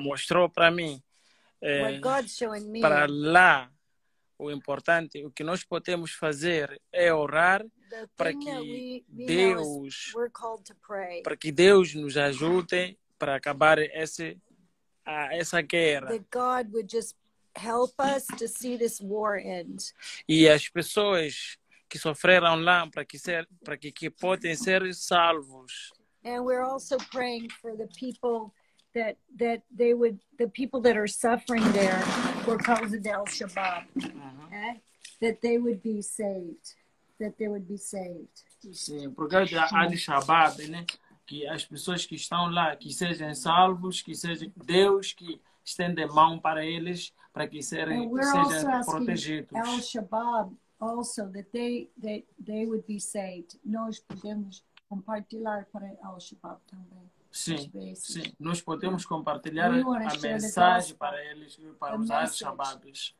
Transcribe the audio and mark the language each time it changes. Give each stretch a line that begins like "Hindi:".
Portuguese: Mostrou para mim.
English: What God's showing me.
Portuguese: Para lá, o importante, o que nós podemos fazer é orar para que Deus...
English: We're called to pray.
Portuguese: Para que Deus nos ajude para acabar esse... essa guerra.
English: That God would just help us to see this war end.
Portuguese: E as pessoas que sofreram lá para que podem ser salvos.
English: And we're also praying for the people that they would, the people that are suffering there
Portuguese: por causa de El Shabaab,
English: uh-huh. That they would be saved. That they would be saved.
Portuguese: Sim, por causa de El Shabaab, né? Que as pessoas que estão lá, que sejam salvos, que seja Deus que estende a mão para eles, para que sejam protegidos.
English: El Shabaab, also, that they would be saved.
Portuguese: Nós podemos compartilhar para El Shabaab também. Sim, nós podemos compartilhar a mensagem para eles, para os El Shabaabs.